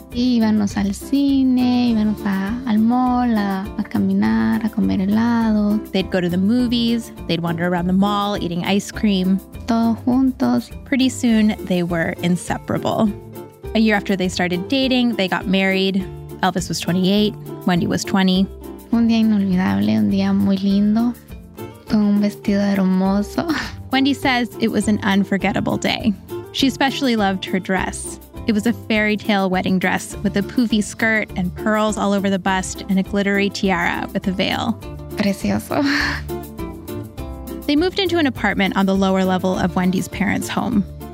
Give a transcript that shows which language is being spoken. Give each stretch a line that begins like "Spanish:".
Spanish: Íbamos al cine, íbamos al mall, a caminar, a comer helado.
English: They'd go to the movies, they'd wander around the mall eating ice cream.
Spanish: Todos juntos.
English: Pretty soon, they were inseparable. A year after they started dating, they got married. Elvis was 28, Wendy was 20.
Spanish: Un día inolvidable, un día muy lindo, con un vestido hermoso.
English: Wendy says it was an unforgettable day. She especially loved her dress. It was a fairy tale wedding dress with a poofy skirt and pearls all over the bust and a glittery tiara with a veil.
Spanish: Precioso.
English: They moved into an apartment on the lower level of Wendy's parents' home.